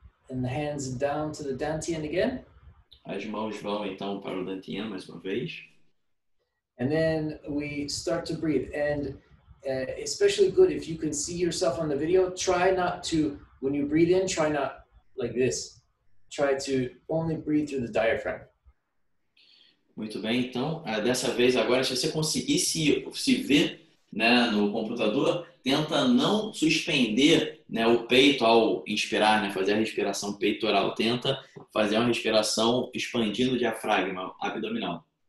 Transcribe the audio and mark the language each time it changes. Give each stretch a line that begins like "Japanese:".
English: And the hands down to the dantian again.
Portuguese: As mãos vão então para o dantian mais uma vez.
English: And then we start to breathe. And especially good if you can see yourself on the video, try not to, when you breathe in, try not like this. Try to only breathe through the diaphragm.
Portuguese: Muito bem, então, dessa vez agora, se você conseguir se ver, né, no computador, tenta não suspender, né, o peito ao inspirar, né, fazer a respiração peitoral. Tenta fazer uma respiração expandindo o diafragma abdominal.